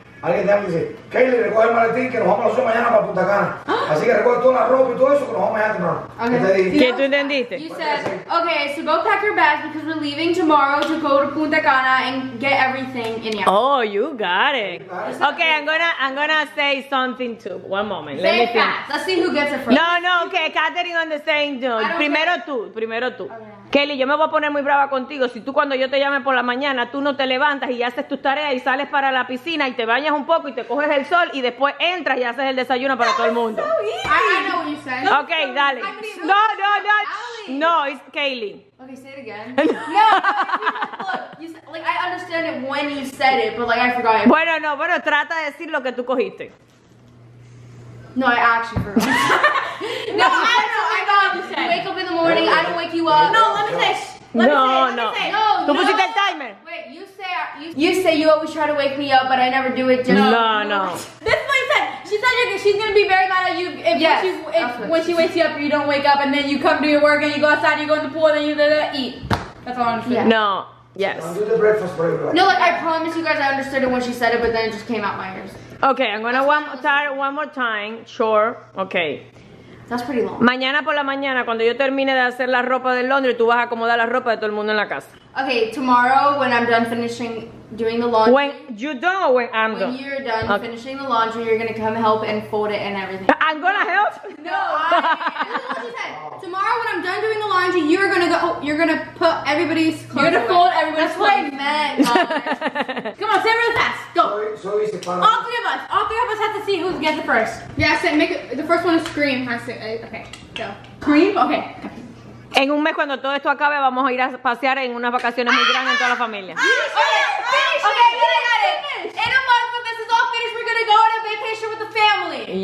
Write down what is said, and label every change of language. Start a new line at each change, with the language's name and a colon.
Spanish: Alguien te dice, Kaylee, recoge el maletín que nos vamos a hacer mañana para Punta Cana. Así que recoge toda la ropa y todo eso que nos vamos a hacer mañana. Okay. ¿Qué tú entendiste?
English: You said, okay, so go pack your bags because we're leaving tomorrow to go to Punta Cana and get everything in here. Oh, you got it. Okay, I'm gonna say something too. One moment. Say it fast. Let's see who gets it first. No, no, okay, Katherine on the same note.
Spanish: Primero tú. Kaylee, yo me voy a poner muy brava contigo. Si tú cuando yo te llame por la mañana, tú no te levantas y haces tus tareas y sales para la piscina y te bañas un poco y te coges el sol y después entras y haces el desayuno para todo el mundo.
English: I know what you said. Okay, dale. No. No, it's Kaylee. Okay, say it again. No. Look, I understand it when you said it, but like I forgot it.
Spanish: Bueno, trata de decir lo que tú cogiste.
English: No, I actually forgot. No, I don't know. You wake up in the morning, I don't wake you up. No, let me say. Let me say.
Spanish: Tú pusiste el timer.
English: Wait, you say you always try to wake me up, but I never do it. No. This one said, she said she's going to be very mad at you when she wakes you up, you don't wake up, and then you come to your work, and you go outside, you go in the pool, and then you eat. That's all I'm saying. Yeah. No. Yes. I'll do the breakfast for you. No, like, I promise you guys I understood it when she said it, but then it just came out my ears. Okay, I'm going to one more time. Sure. Okay. That's pretty long.
Spanish: Mañana por la mañana, cuando yo termine de hacer la ropa de Londres, tú vas a acomodar la ropa de todo el mundo en la casa.
English: Okay, tomorrow when I'm done finishing doing the laundry. When you done or when I'm when done? When you're done finishing the laundry, you're gonna come help and fold it and everything. I'm gonna help? No, I what she said. Tomorrow when I'm done doing the laundry, you're gonna go. You're gonna put everybody's clothes. You're gonna Fold everybody's clothes. That's what I meant. Come on, say it real fast. Go. Sorry, all three of us. All three of us have to see who gets it first. Yeah, say make it. The first one to scream has to. Okay, go. Scream? Okay.
Spanish: En un mes, cuando todo esto acabe, vamos a ir a pasear en unas vacaciones muy grandes en toda la familia.
English: In a month, when this is all finished, we're gonna go on a vacation with the family.